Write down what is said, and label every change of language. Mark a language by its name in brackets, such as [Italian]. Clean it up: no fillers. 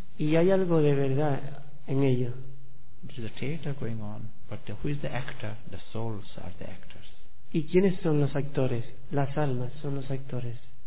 [Spanish] Y hay algo de verdad en ello. [English] There is a theater going on, but who is the actor? The souls are the actor. [Spanish] ¿Y quiénes son los actores? Las almas son los actores.